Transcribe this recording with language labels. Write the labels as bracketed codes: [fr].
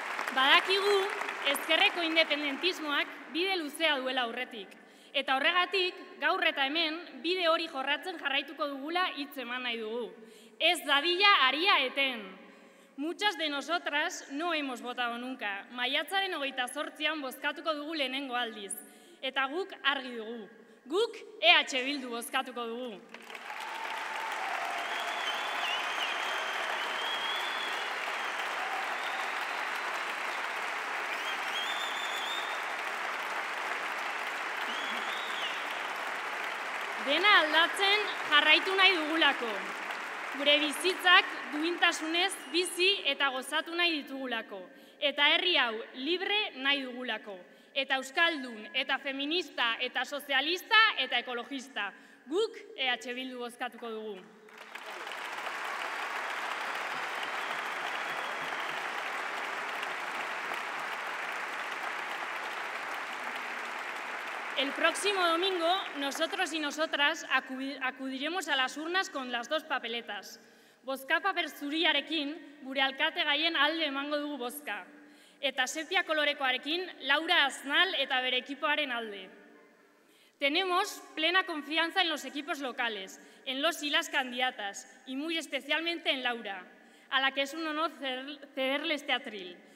[eu] Badakigu, ezkerreko independentismoak bide luzea duela aurretik. Eta horregatik, gaur eta hemen, bide hori jorratzen jarraituko dugula hitz eman nahi dugu. Ez dadila aria eten. [es] Muchas de nosotras no hemos votado nunca. [eu] Maiatzaren 28an bozkatuko dugu lehenengo aldiz. Eta guk argi dugu. Guk EH Bildu bozkatuko dugu. Dena aldatzen jarraitu nahi dugulako. Gure bizitzak duintasunez bizi eta gozatu nahi ditugulako. Eta herri hau libre nahi dugulako. Eta euskaldun, eta feminista, eta sozialista, eta ekologista. Guk EH Bildu bozkatuko dugu. [es] El próximo domingo, nosotros y nosotras acudiremos a las urnas con las dos papeletas. [eu] Bozka paper zuriarekin, gure alkate gaien alde emango dugu bozka. Eta sepia kolorekoarekin, Laura Aznal eta bere ekipoaren alde. [es] Tenemos plena confianza en los equipos locales, en los y las candidatas, y muy especialmente en Laura, a la que es un honor cederle este atril.